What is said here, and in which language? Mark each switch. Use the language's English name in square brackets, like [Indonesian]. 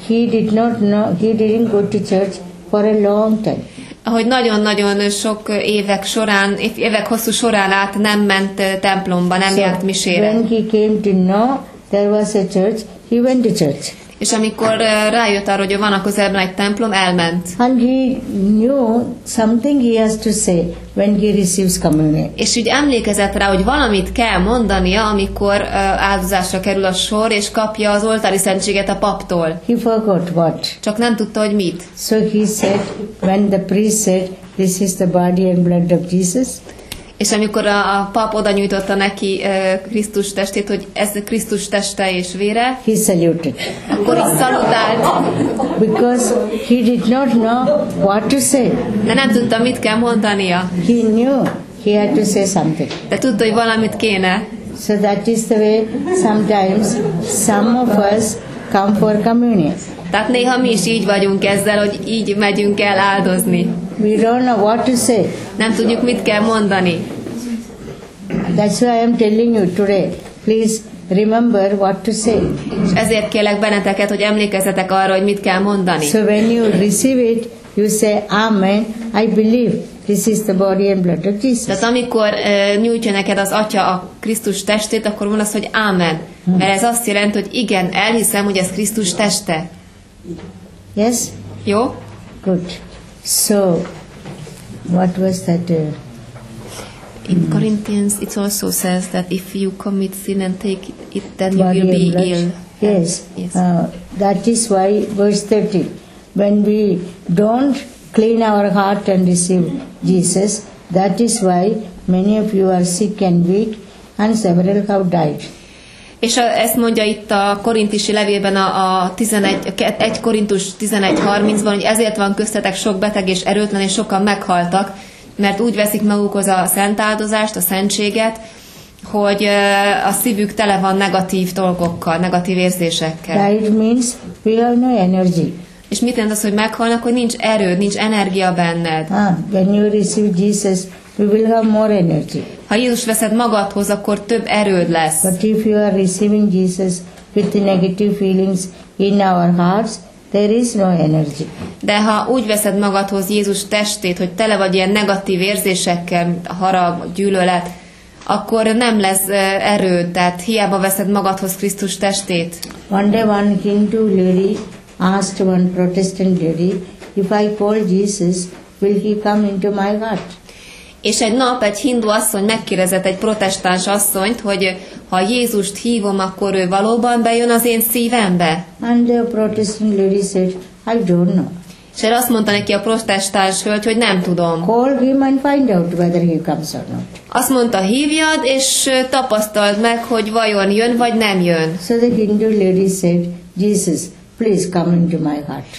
[English] He did not know, he didn't go to church for a long time. [Hungarian] Hogy nagyon-nagyon sok évek során, évek hosszú során át nem ment templomba, nem járt misére. [English] When he came to know there was a church, he went to church. [Hungarian] És amikor rájött arra, hogy van a közelben egy templom, elment. [English] And he knew something he has to say when he receives communion. [Hungarian] És úgy emlékezett rá, hogy valamit kell mondania, amikor áldozásra kerül a sor, és kapja az oltári szentséget a paptól. [English] He forgot what. [Hungarian] Csak nem tudta, hogy mit. [English] So he said, when the priest said, this is the body and blood of Jesus. [Hungarian] És amikor a pap oda nyújtotta neki Krisztus testét, hogy ez Krisztus teste és vére, [English] he saluted. [Hungarian] Akkor is szalutált. [English] Because he did not know what to say. [Hungarian] De nem tudta, mit kell mondania. [English] He knew he had to say something. [Hungarian] De tudta, hogy valamit kéne. [English] So that is the way sometimes some of us come for communion. [Hungarian] Tehát néha mi is így vagyunk ezzel, hogy így megyünk el áldozni. [English] We don't know what to say. [Hungarian] Nem tudjuk, mit kell mondani. [English] That's why I'm telling you today. Please remember what to say. [Hungarian] És ezért kérlek benneteket, hogy emlékezzetek arra, hogy mit kell mondani. [English] So when you receive it, you say, Amen, I believe this is the body and blood of Jesus. [Hungarian] Tehát amikor nyújtja neked az Atya a Krisztus testét, akkor mondasz, hogy Amen. Mert ez azt jelenti, hogy igen, elhiszem, hogy ez Krisztus teste. [English] Yes? [Hungarian] Jó? [English] Good. So, what was that? In Corinthians, it also says that if you commit sin and take it, then you will be ill. Yes. Yes. That is why, verse 30, when we don't clean our heart and receive Jesus, that is why many of you are sick and weak, and several have died. [Hungarian] És ezt mondja itt a korintusi levélben a 1 Korintus 11.30-ban, hogy ezért van köztetek sok beteg és erőtlen, és sokan meghaltak, mert úgy veszik magukhoz a szent áldozást, a szentséget, hogy a szívük tele van negatív dolgokkal, negatív érzésekkel. [English] That means we have no energy. [Hungarian] És mit jelent az, hogy meghalnak, hogy nincs erő, nincs energia benned? [English] When you receive Jesus, we will have more energy. [Hungarian] Ha Jézus veszed magadhoz, akkor több erőd lesz. [English] But if you are receiving Jesus with the negative feelings in our hearts, there is no energy. [Hungarian] De ha úgy veszed magadhoz Jézus testét, hogy tele vagy ilyen negatív érzésekkel, harag, gyűlölet, akkor nem lesz erőd, tehát hiába veszed magadhoz Krisztus testét. [English] One day one Hindu lady asked one Protestant lady, if I call Jesus, will he come into my heart? [Hungarian] És egy nap egy hindu asszony megkérdezett egy protestáns asszonyt, hogy ha Jézust hívom, akkor ő valóban bejön az én szívembe. [English] And the Protestant lady said, I don't know. [Hungarian] És azt mondta neki a protestáns hölgy, hogy nem tudom. [English] Call him and find out whether he comes or not. [Hungarian] Azt mondta, hívjad, és tapasztald meg, hogy vajon jön, vagy nem jön. [English] So the Hindu lady said, Jesus, please come into my heart.